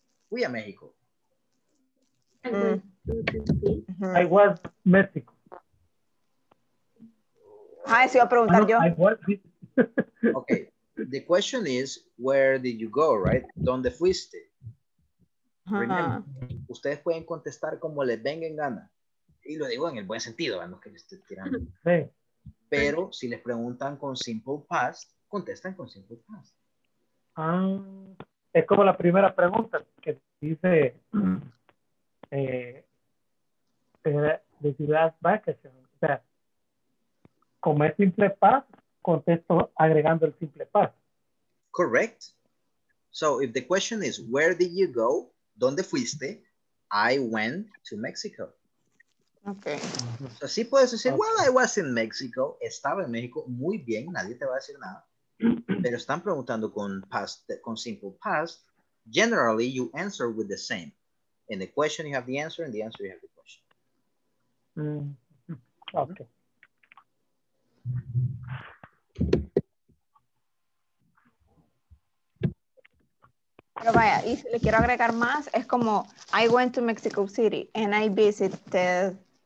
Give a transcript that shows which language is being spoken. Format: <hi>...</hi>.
<es>Fui a México.</es> <en>I was Mexico.</en> <es>Ah, eso iba a preguntar yo.</es> <en>Okay. The question is, where did you go, right?</en> <es>¿Dónde fuiste?</es> <en>Remember,</en> <es>ustedes pueden contestar como les venga en gana. Y lo digo en el buen sentido, a los que les esté tirando. Sí. Pero si les preguntan con simple past, contestan con simple past. Ah, es como la primera pregunta que dice</es> <en>did you last vacation?</en> <es>O sea, como es simple past, contesto agregando el simple past.</es> <en>Correct. So if the question is, where did you go?</en> <es>¿Dónde fuiste?</es> <en>I went to Mexico. Okay. So,</en> <es>así puedes decir,</es> <en>okay. Well, I was in Mexico.</en> <es>Estaba en México. Muy bien, nadie te va a decir nada. Pero están preguntando con past, con simple past.</es> <en>Generally, you answer with the same. In the question, you have the answer. In the answer, you have the question. Mm. Okay.</en> <es>Pero vaya, y si le quiero agregar más, es como,</es> <en>I went to Mexico City and I visited...</en>